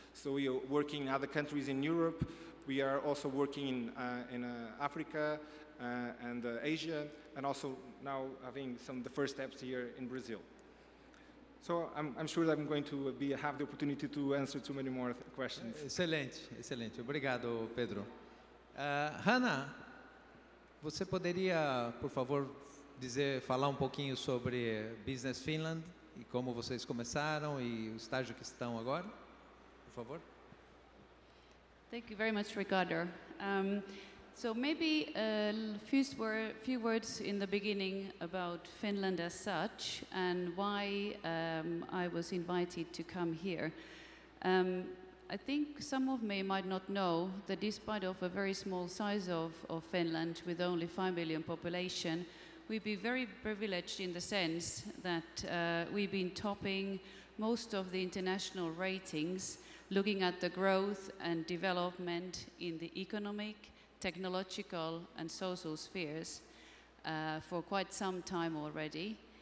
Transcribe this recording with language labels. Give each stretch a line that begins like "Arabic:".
English: So we are working other countries in Europe. We are also working in Africa and Asia, and also now having some of the first steps here in Brazil. So I'm sure that I'm going to have the opportunity to answer too many more questions.
Portuguese: Excelente, excelente. Obrigado, Pedro. Hanna, você poderia, por favor, falar um pouquinho sobre Business Finland e como vocês começaram e o estágio que estão agora, por favor?
English: Thank you very much, Ricardo. So maybe a few words in the beginning about Finland as such and why I was invited to come here. I think some of me might not know that despite of a very small size of Finland with only 5 million population, we've been very privileged in the sense that we've been topping most of the international ratings looking at the growth and development in the economic, technological and social spheres for quite some time already.